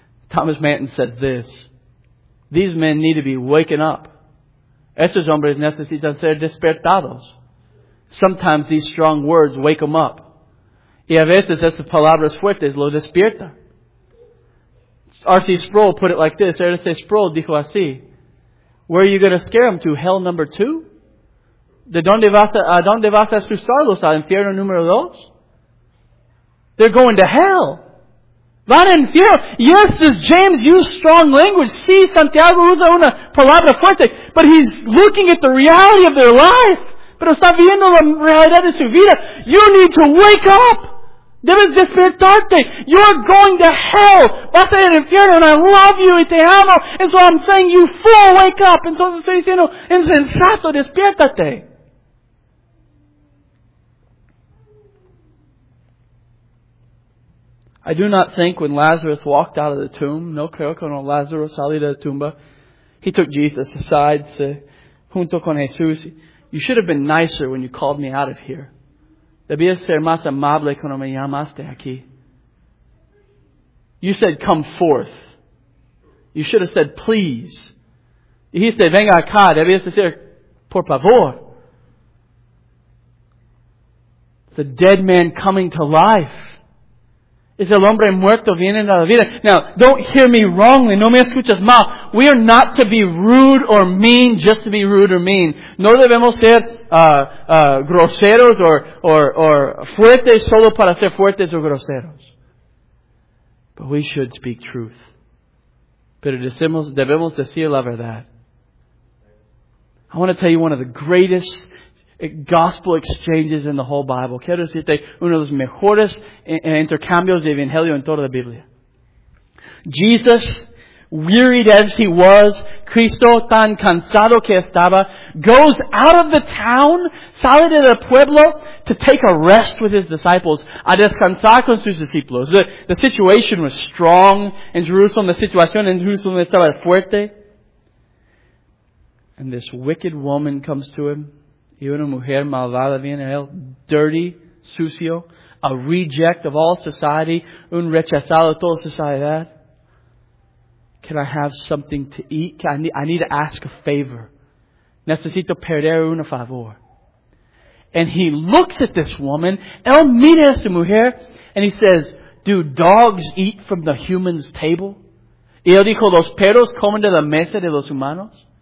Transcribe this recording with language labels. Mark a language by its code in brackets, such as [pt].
[en] Thomas Manton says this. These men need to be waken up. [es] Estos hombres necesitan ser despertados. [en] Sometimes these strong words wake them up. [es] Y a veces estas palabras fuertes lo despierta. [en] R.C. Sproul put it like this. [es] R.C. Sproul dijo así. [en] Where are you going to scare them to? Hell number two? [es] ¿De dónde vas a, asustarlos? ¿A infierno número dos? [en] They're going to hell. [es] Van a infierno. [en] Yes, does James use strong language? [es] Sí, Santiago usa una palabra fuerte. [en] But he's looking at the reality of their life. [es] Pero está viendo la realidad de su vida. [en] You need to wake up. [es] Debes despertarte. [en] You're going to hell. [es] Vas a ir al infierno. [en] And I love you [es] y te amo. [en] And so I'm saying, you fool, wake up. [es] Entonces estoy diciendo, insensato, despiértate. [en] I do not think when Lazarus walked out of the tomb, [es] no creo que cuando Lázaro salió de la tumba, [en] he took Jesus aside, [es] junto con Jesús. [en] You should have been nicer when you called me out of here. [es] Debías ser más amable cuando me llamaste aquí. [en] You said, come forth. You should have said, please. He said, [es] venga acá. Debías decir, por favor. [en] It's a dead man coming to life. [es] Es el hombre muerto viniendo a la vida. [en] Now, don't hear me wrongly. [es] No me escuchas mal. [en] We are not to be rude or mean just to be rude or mean. [es] No debemos ser groseros or fuertes solo para ser fuertes o groseros. [en] But we should speak truth. [es] Pero debemos decir la verdad. [en] I want to tell you one of the greatest gospel exchanges in the whole Bible. [es] Quiero decirte uno de los mejores intercambios de Evangelio en toda la Biblia. [en] Jesus, wearied as he was, [es] Cristo tan cansado que estaba, [en] goes out of the town, [es] sale de el pueblo, [en] to take a rest with his disciples, [es] a descansar con sus discípulos. [en] The situation was strong in Jerusalem, the situation in Jerusalem [es] estaba fuerte. [en] And this wicked woman comes to him. [es] Y una mujer malvada viene a él, [en] dirty, [es] sucio, [en] a reject of all society, [es] un rechazado de toda sociedad. [en] Can I have something to eat? I need to ask a favor. [es] Necesito perder un favor. [en] And he looks at this woman, [es] él mira a esta mujer, [en] and he says, do dogs eat from the human's table? [es] Y él dijo, los perros comen de la mesa de los humanos.